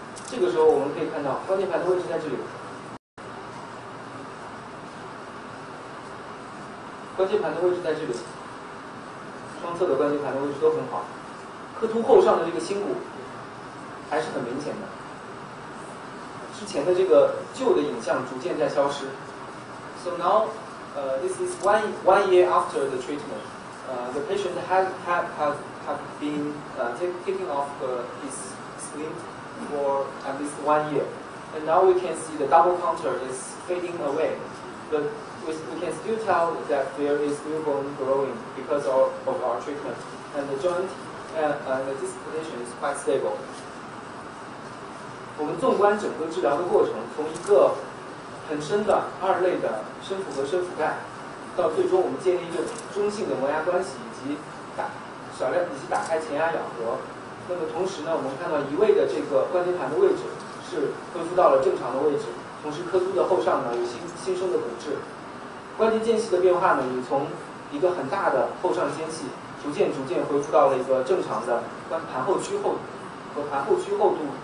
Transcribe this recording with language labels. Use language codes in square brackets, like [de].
[zh] 这个时候我们可以看到关节盘的位置在这里，关节盘的位置在这里，双侧的关节盘的位置都很好，颌突后上的这个新骨还是很明显的。之前的这个旧的影像逐渐在消失。 [en] So now, this is one year after the treatment. The patient has been taking off his splint for at least 1 year. And now we can see the double contour is fading away. But we can still tell that there is new bone growing because of our treatment. And the joint and the disc position is quite stable. [zh] 我们纵观整个治疗的过程，从一个很深的二类的深腹和深腹盖，到最终我们建立一个中性的磨牙关系，以及打开前牙咬合。那么同时呢，我们看到移位的这个关节盘的位置是恢复到了正常的位置，同时颌突的后上呢有新生的骨质，关节间隙的变化呢也从一个很大的后上间隙逐渐恢复到了一个正常的盘后区厚度。